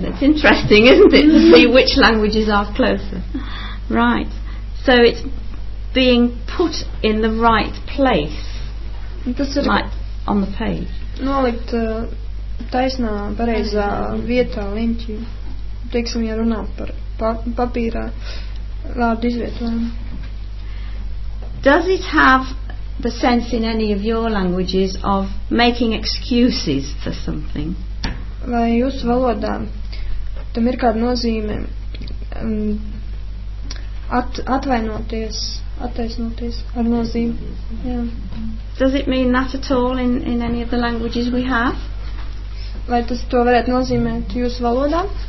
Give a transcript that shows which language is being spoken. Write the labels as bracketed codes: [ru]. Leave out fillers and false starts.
[en] It's interesting, isn't it, to see which languages are closer. Right. So it's being put in the right place. Like on the page. [lv] Nolikt taisnā, pareizā vietā liņķi, teiksim, ja runā par papīrā vārdu izvietojumu. [en] Does it have the sense in any of your languages of making excuses for something? [lv] Vai jūsu valodā tam ir kāda nozīme atvainoties, attaisnoties ar nozīmi? Jā. [en] Does it mean that at all in any of the languages we have? [lv] Vai tas to varētu nozīmēt jūsu valodā?